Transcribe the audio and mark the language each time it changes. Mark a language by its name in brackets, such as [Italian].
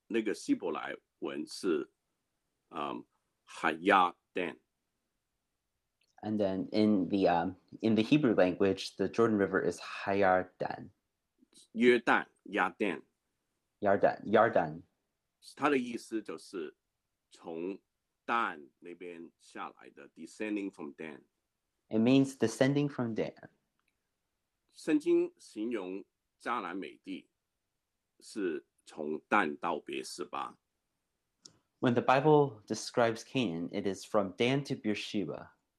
[Chinese] 约旦河在那个希伯来文是 Hayaden. [English] And then in the Hebrew language, the Jordan River is Hayarden. [Chinese] 约旦, Yarden. [English] Yarden, Yarden. [Chinese] 它的意思就是从但那边下来的, [English] descending from Dan. It means descending from Dan. [Chinese] 圣经形容迦南美地是从但到别是吧? [English] When the Bible describes Canaan, it is from Dan to Beersheba.